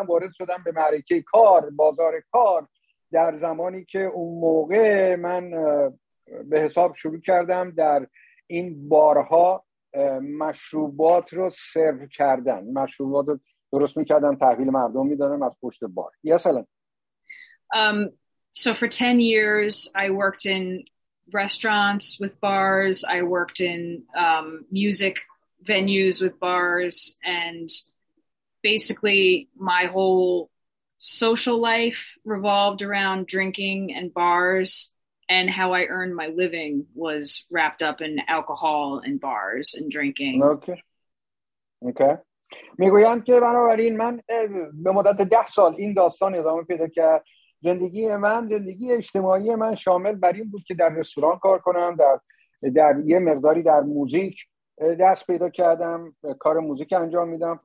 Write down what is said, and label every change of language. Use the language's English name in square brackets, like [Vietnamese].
[Persian] من وارد شدم به معرکه کار، بازار کار، در زمانی که اون موقع من به حساب شروع کردم در این بارها مشروبات رو سرو کردن، مشروبات رو درست میکردم، تحویل مردم میدادم از پشت بار. [English] Yes, Ellen. So for 10 years I worked in restaurants with bars, I worked in music venues with bars, and basically my whole social life revolved around drinking and bars, and how I earned my living was wrapped up in alcohol and bars and drinking. Okay. [Persian] میگویند که بنابراین من به مدت 10 سال این داستان ادامه پیدا کرد. زندگی من، زندگی اجتماعی من شامل بر این بود که در رستوران کار کنم، در یه مقداری در موزیک دست پیدا کردم، کار موزیک انجام میدم.